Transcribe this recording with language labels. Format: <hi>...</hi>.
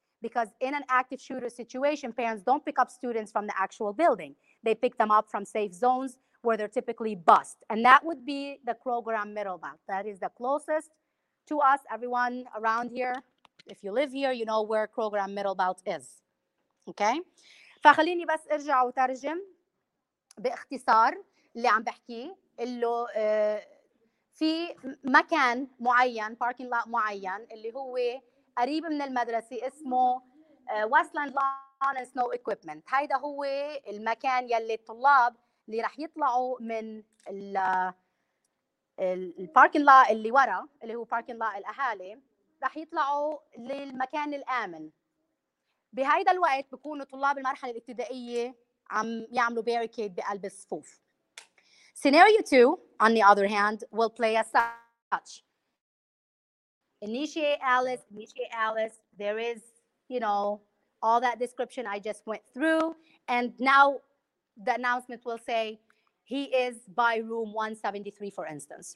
<en>Because in an active shooter situation, parents don't pick up students from the actual building. They pick them up from safe zones, where they're typically bused. And that would be the Kroger on Middlebelt. That is the closest to us, everyone around here. If you live here, you know where Kroger on Middlebelt is. Okay?</en> <ar>فخليني بس ارجع وترجم باختصار اللي عم بحكيه اللي في مكان معين باركينج لوت معين اللي هو قريب من المدرسة اسمه Westland Lawn and Snow Equipment. هيدا هو المكان يلي الطلاب اللي رح يطلعوا من الباركينج لوت اللي ورا اللي هو باركينج لوت الأهالي رح يطلعوا للمكان الآمن. بهيدا الوقت بكونوا طلاب المرحلة الابتدائية عم يعملوا باريكيد بقلب الصفوف.</ar> <en>Scenario 2, on the other hand, will play as such. Initiate Alice. There is, you know, all that description I just went through. And now the announcement will say he is by room 173, for instance.</en>